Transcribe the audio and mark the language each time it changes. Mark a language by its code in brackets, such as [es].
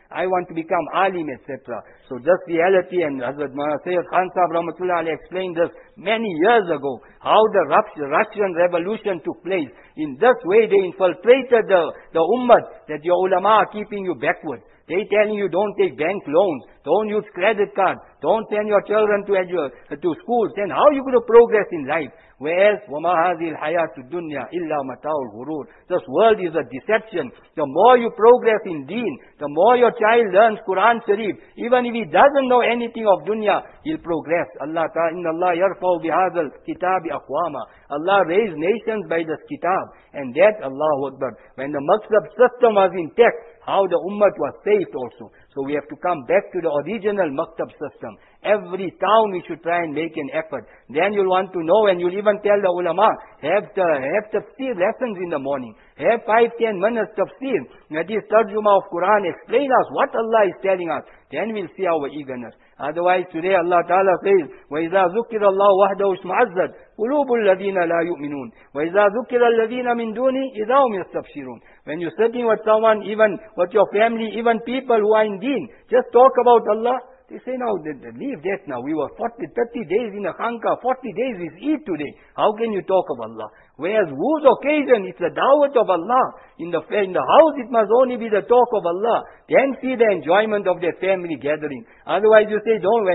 [en] I want to become Alim, etc. So this reality, and Hazrat Sayyid Khan Sahib Rahmatullah Ali explained this many years ago, how the Russian Revolution took place. In this way, they infiltrated the Ummah, that your ulama are keeping you backward. They telling you don't take bank loans, don't use credit cards, don't send your children to schools. Then how are you going to progress in life? Whereas, [ar] وَمَا هَذِي الْحَيَاةُ الدُّنْيَا إِلَّا مَتَاعُ الْغُرُورِ. [en] This world is a deception. The more you progress in deen, the more your child learns Quran Sharif, even if he doesn't know anything of dunya, he'll progress. [ar] Allah ta'ala, إِنَّ اللَّهَ يَرْفَعُ بِهَذَا الْكِتَابِ أَقْوَامًا. [en] Allah raised nations by this kitab. And that, Allahu Akbar, when the maktab system was intact, how the ummah was saved also. So we have to come back to the original maktab system. Every town we should try and make an effort. Then you'll want to know, and you'll even tell the ulama, have tafsir lessons in the morning. Have 5-10 minutes tafsir. That is tarjuma of Quran. Explain us what Allah is telling us. Then we'll see our eagerness. Otherwise today Allah Ta'ala says, [ar] وَإِذَا ذُكِّرَ اللَّهُ وَحْدَهُ اسْمَعَزَّدْ قُلُوبُ الَّذِينَ لَا يُؤْمِنُونَ وَإِذَا ذُكِّرَ الَّذِينَ مِنْ دُونِي إِذَا هُمْ يَسْتَبْشِرُونَ. [en] When you're sitting with someone, even with your family, even people who are in deen, just talk about Allah. They say, now leave that now. We were 30 days in a khanka, 40 days is Eid today. How can you talk of Allah? Whereas whose occasion? It's the dawat of Allah. In the house, it must only be the talk of Allah. Then see the enjoyment of their family gathering. Otherwise, you say, don't.